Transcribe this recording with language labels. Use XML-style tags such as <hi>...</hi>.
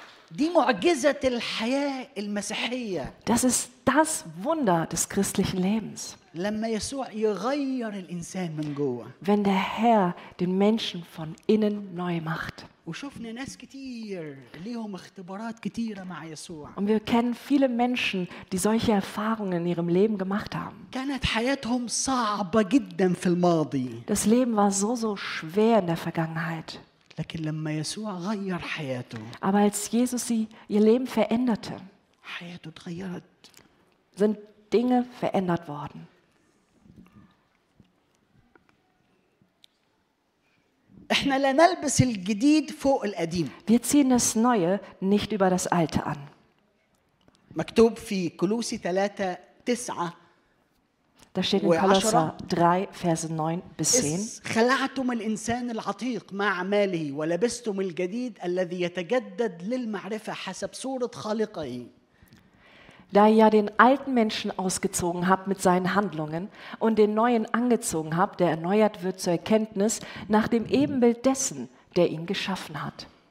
<ar>Die معجزه الحياه المسيحيه.</ar> <de>Das ist das Wunder des christlichen Lebens.</de> <ar>لما يسوع يغير الانسان من جوه.</ar> <de>Wenn der Herr den Menschen von innen neu macht.</de> <ar>وشفنا ناس كتير ليهم اختبارات كتيره مع يسوع.</ar> <de>Und wir kennen viele Menschen, die solche Erfahrungen in ihrem Leben gemacht haben.</de> <ar>كانت حياتهم صعبه جدا في الماضي.</ar> <de>Das Leben war so schwer in der Vergangenheit.</de> <ar>لكن لما يسوع غير حياته.</ar> <de>Aber als Jesus sie ihr Leben veränderte.</de> <ar>حياته تغيرت.</ar> <de>Sind Dinge verändert worden.</de> <ar>احنا لا نلبس الجديد فوق القديم.</ar> <de>Wir ziehen das Neue nicht über das Alte an.</de> <ar>مكتوب في كولوسي 3 9</ar> <de>Da steht in Kolosser 3 Verse 9 bis 10.</de> <ar>خلعتم الانسان العتيق مع اعماله ولبستم الجديد الذي يتجدد للمعرفه حسب صوره خالقه.</ar> <de>Da ihr ja den alten Menschen ausgezogen habt mit seinen Handlungen und den neuen angezogen habt, der erneuert wird zur Erkenntnis nach dem Ebenbild dessen, der ihn geschaffen hat.</de>